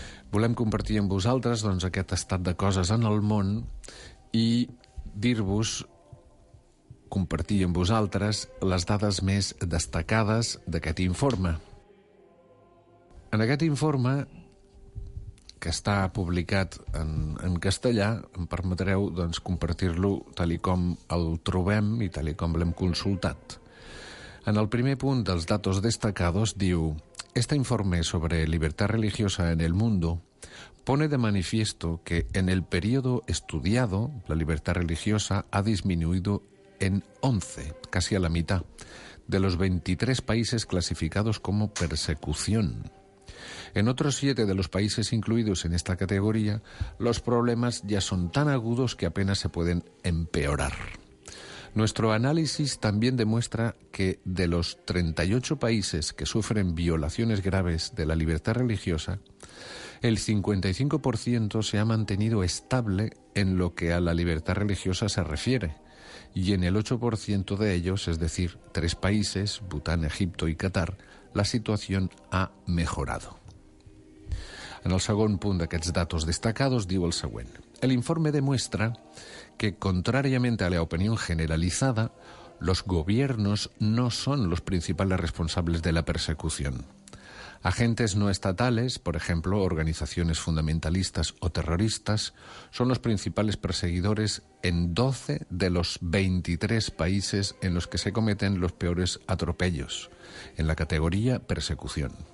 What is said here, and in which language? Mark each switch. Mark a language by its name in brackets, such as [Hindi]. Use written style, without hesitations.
[Catalan] Volem compartir amb vosaltres, doncs, aquest estat de coses en el món i dir-vos, compartir amb vosaltres les dades més destacades d'aquest informe. En aquest informe, que està publicat en castellà, em permetreu, doncs, compartir-lo tal com el trobem i tal com l'hem consultat. En el primer punt dels [Spanish] datos destacados [Catalan] diu: [Spanish] "Este informe sobre libertad religiosa en el mundo pone de manifiesto que en el periodo estudiado la libertad religiosa ha disminuido en 11, casi a la mitad, de los 23 países clasificados como persecución. En otros 7 de los países incluidos en esta categoría, los problemas ya son tan agudos que apenas se pueden empeorar. Nuestro análisis también demuestra que de los 38 países que sufren violaciones graves de la libertad religiosa, el 55% se ha mantenido estable en lo que a la libertad religiosa se refiere, y en el 8% de ellos, es decir, tres países, Bután, Egipto y Qatar, la situación ha mejorado. [Catalan] En el segon punt d'aquests [Spanish] datos destacados [Catalan] diu el següent. [Spanish] El informe demuestra que, contrariamente a la opinión generalizada, los gobiernos no son los principales responsables de la persecución. Agentes no estatales, por ejemplo, organizaciones fundamentalistas o terroristas, son los principales perseguidores en 12 de los 23 países en los que se cometen los peores atropellos, en la categoría persecución.